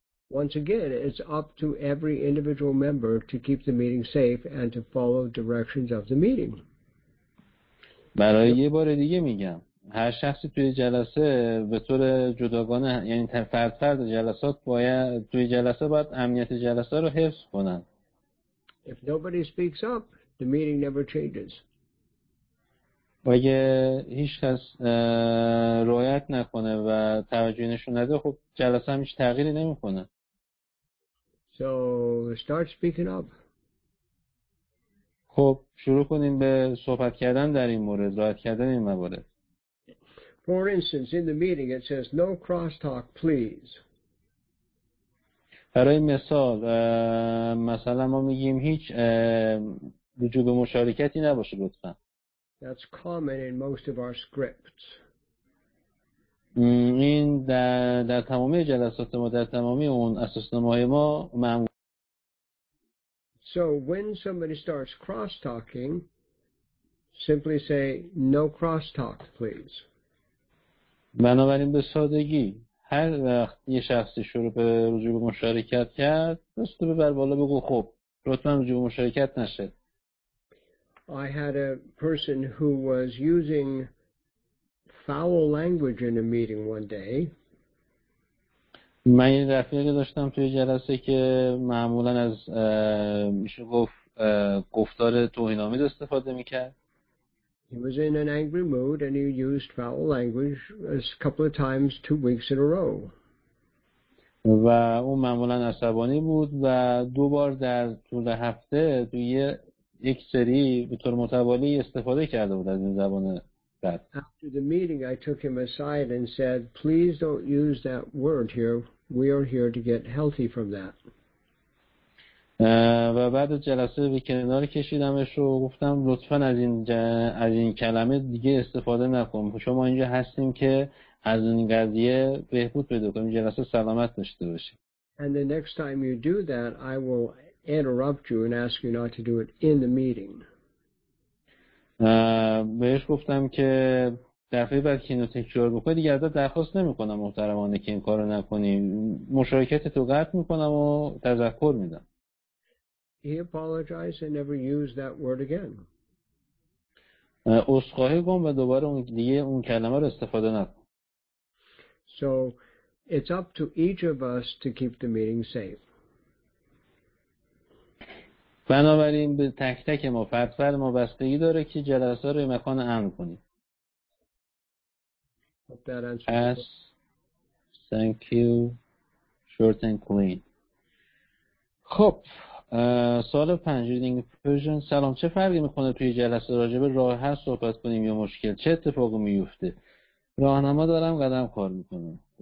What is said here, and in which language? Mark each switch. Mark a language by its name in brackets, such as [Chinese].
[English] Once again, it's up to every individual member to keep the meeting safe and to follow directions of the meeting. [Persian] برای یه بار دیگه میگم هر شخصی توی جلسه به طور جداگانه یعنی فرد فرد جلسات باید توی جلسه باید امنیت جلسه رو حفظ کنن. [English] If nobody speaks up, the meeting never changes. [Persian] و اگه هیچ کس رعایت نکنه و توجه نشون نده خب جلسه هم هیچ تغییری نمی‌کنه. [English] So start speaking up. [Persian] خب شروع کنیم به صحبت کردن در این مورد، رعایت کردن این موارد. [English] For instance, in the meeting it says no crosstalk please. [Persian] برای مثال مثلا ما میگیم هیچ وجوب مشارکتی نباشه لطفا. [English] That's common in most of our scripts. [Persian] این در تمامی جلسات ما در تمامی اون اساسنامه‌های ما معمول. [English] So when somebody starts crosstalking, simply say no crosstalk please. [Persian] بنابراین به سادگی هر وقت یه شخصی شروع به رجوع به مشارکت کرد دست رو ببر بالا بگو خب لطفا رجوع به مشارکت نشه. [English] I had a person who was using foul language in a meeting one day. [Persian] من یه رفیقی داشتم توی جلسه که معمولا از میشه گفت گفتار توهین‌آمیز استفاده میکرد. [English] He was in an angry mood and he used foul language a couple of times 2 weeks in a row. [Persian] و اون معمولا عصبانی بود و دو بار در طول هفته توی یک سری به طور متوالی استفاده کرده بود از این زبان بد. [English] After the meeting I took him aside and said, please don't use that word here. We are here to get healthy from that. [Persian] و بعد از جلسه به کنار کشیدمش و گفتم لطفاً از این کلمه دیگه استفاده نکن. شما اینجا هستیم که از این قضیه بهبود پیدا کنیم، جلسه سلامت داشته باشیم. [English] And the next time you do that, I will interrupt you and ask you not to do it in the meeting. [Persian] بهش گفتم که دفعه بعد که اینو تکرار بکنی دیگه ازت درخواست نمی‌کنم محترمانه که این کارو نکنی. مشارکت تو قطع می‌کنم و تذکر میدم. [English] He apologized and never used that word again. [Persian] اسخای گم و دوباره اون دیگه اون کلمه رو استفاده نکرد. [English] So it's up to each of us to keep the meeting safe. [Persian] بنابراین به تک تک ما فرد ما بستگی داره که جلسه رو مکان امن کنیم. [English] Hope that answers. Thank you. Short and clean. [Persian] خب سوال پنجمین پرژن، سلام، چه فرقی میکنه توی جلسه راجبه راه حل صحبت کنیم یا مشکل؟ چه اتفاقی میفته؟ راهنما دارم قدم کار میکنم.